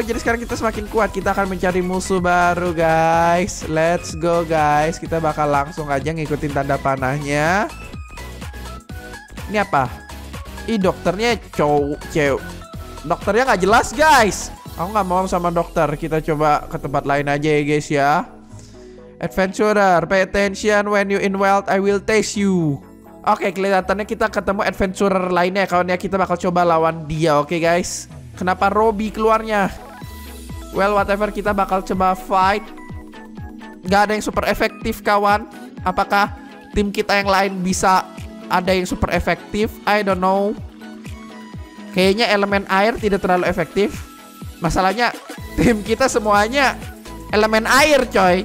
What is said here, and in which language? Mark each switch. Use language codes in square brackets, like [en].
[id] Jadi sekarang kita semakin kuat. Kita akan mencari musuh baru, guys. [en] Let's go, guys. [id] Kita bakal langsung aja ngikutin tanda panahnya. Ini apa? Ih, dokternya cewek. Dokternya nggak jelas, guys. Aku nggak mau sama dokter. Kita coba ke tempat lain aja ya, guys, ya. [en] Adventurer, pay attention when you in wild, I will taste you. [id] Oke, kelihatannya kita ketemu adventurer lainnya ya, kawan ya. Kita bakal coba lawan dia, oke, guys. Kenapa Robby keluarnya? [en] Well, whatever, [id] kita bakal coba fight. Gak ada yang super efektif, kawan. Apakah tim kita yang lain bisa ada yang super efektif? [en] I don't know. [id] Kayaknya elemen air tidak terlalu efektif. Masalahnya tim kita semuanya elemen air, coy.